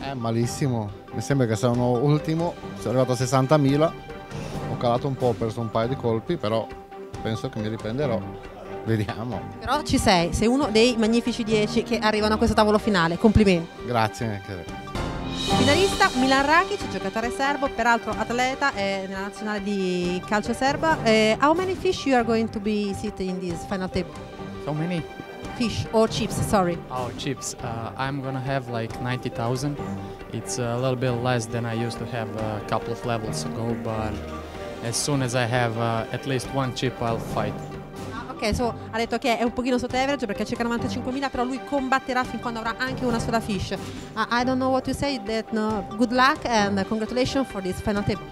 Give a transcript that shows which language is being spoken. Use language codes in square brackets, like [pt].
[it] Malissimo, mi sembra che sono ultimo, sono arrivato a 60.000, ho calato un po', ho perso un paio di colpi, però penso che mi riprenderò. Vediamo. Però ci sei, sei uno dei magnifici 10 che arrivano a questo tavolo finale. Complimenti. Grazie. Finalista Milan Rakic, giocatore serbo, peraltro atleta nella nazionale di calcio serba. [en] How many fish you are going to be sit in this final table? How many? Fish or chips, sorry. Oh, chips. I'm gonna have like 90,000. It's a little bit less than I used to have a couple of levels ago, but as soon as I have at least one chip, I'll fight. [it] So, ha detto che è un pochino sotto average perché c'è 95,000, però lui combatterà fin quando avrà anche una sola fish. [en] I don't know what you say, that no, good luck and congratulations for this final tip.